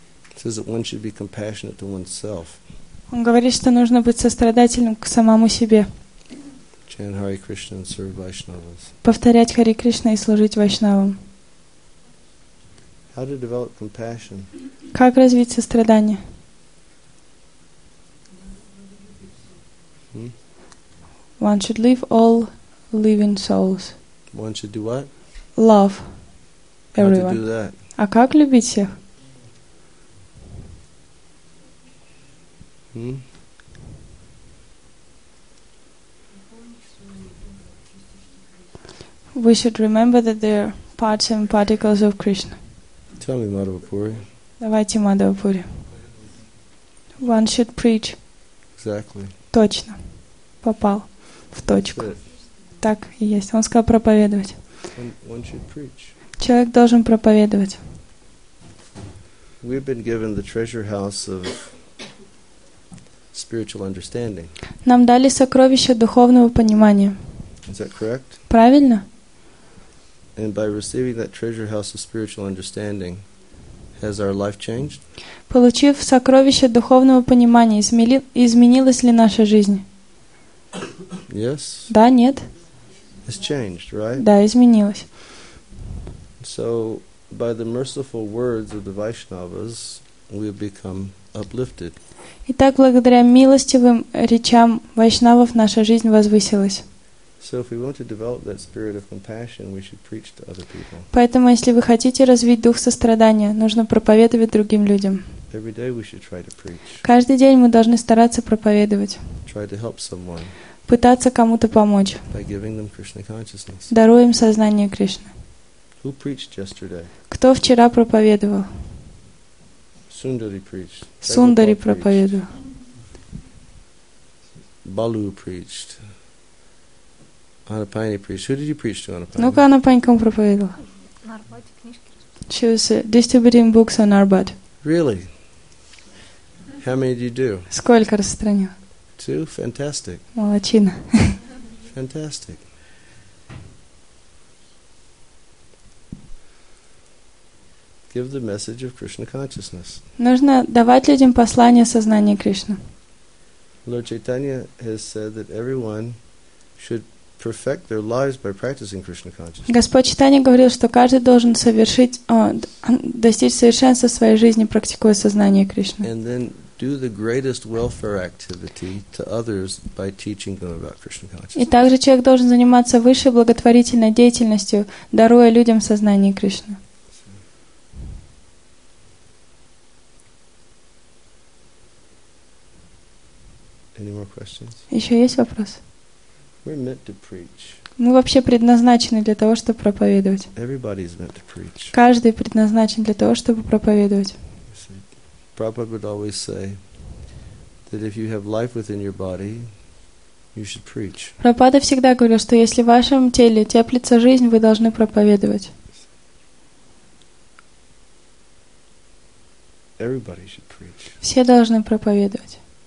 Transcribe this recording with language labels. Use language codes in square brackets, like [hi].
[en] It says that one should be compassionate to oneself. [ru] Он говорит, что нужно быть сострадательным к самому себе. [en] Chant Hare Krishna and serve Vaishnavas. [ru] Повторять Хари Кришна и служить Вайшнавам. [en] How to develop compassion? [ru] Как развить сострадание? [en] One should love all living souls. One should do what? Love everyone. How to do that? [ru] А как любить всех? Hmm? [en] we should remember that they are parts and particles of Krishna. Tell me, Madhavapuri. [ru] Давайте, [en] Мадхавапури. One should preach. Exactly. [ru] Точно. Попал в точку. Так и есть. Он сказал проповедовать. [en] One should preach. [ru] Человек должен проповедовать. [en] We've been given the treasure house of spiritual understanding. [ru] Нам дали сокровище духовного понимания. [en] Is that correct? [ru] Правильно? [en] And by receiving that treasure house of spiritual understanding, has our life changed? [ru] Получив сокровище духовного понимания, изменилась ли наша жизнь? [en] Yes. [ru] Да, нет. [en] It's changed, right? [ru] Да, изменилось. [en] So by the merciful words of the Vaishnavas, we have become uplifted. [ru] Итак, благодаря милостивым речам вайшнавов наша жизнь возвысилась. [en] So if we want to develop that spirit of compassion, we should preach to other people. [ru] Поэтому, если вы хотите развить дух сострадания, нужно проповедовать другим людям. [en] Every day we should try to preach. [ru] Каждый день мы должны стараться проповедовать. [en] Try to help someone. [ru] Пытаться кому-то помочь. [en] By giving them Krishna consciousness. [ru] Даруя им сознание Кришны. [en] Who preached yesterday? [ru] Кто вчера проповедовал? [en] Sundari preached. [ru] Сундари проповедовал. [en] Balu preached. Anapani preached. Who did you preach to, Anapani? [ru] Ну-ка, Anapani, кому проповедовал? Нарбат. [en] She was distributing books on Narbat. Really? How many did you do? [ru] Сколько распространил? [en] Two? Fantastic. [ru] Молодчина. [en] Fantastic. Give the message of Krishna consciousness. [ru] Нужно давать людям послание сознания Кришны. [en] Lord Chaitanya has said that everyone should perfect their lives by practicing Krishna consciousness. [ru] Господь Чайтанья говорил, что каждый должен достичь совершенства в своей жизни, практикуя сознание Кришны. [en] And then do the greatest welfare activity to others by teaching them about Krishna consciousness. [ru] И также человек должен заниматься высшей благотворительной деятельностью, даруя людям сознание Кришны. [en] Any more questions? [ru] Еще есть вопрос? [en] We're meant to preach. [ru] Мы вообще предназначены для того, чтобы проповедовать. [en] Everybody is meant to preach. [ru] Каждый предназначен для того, чтобы проповедовать. [en] Prabhupada would always say that if you have life within your body, you should preach. [ru] Прабхупада всегда говорил, что если в вашем теле теплится жизнь, вы должны проповедовать. [en] Everybody should preach. [ru] Все должны проповедовать.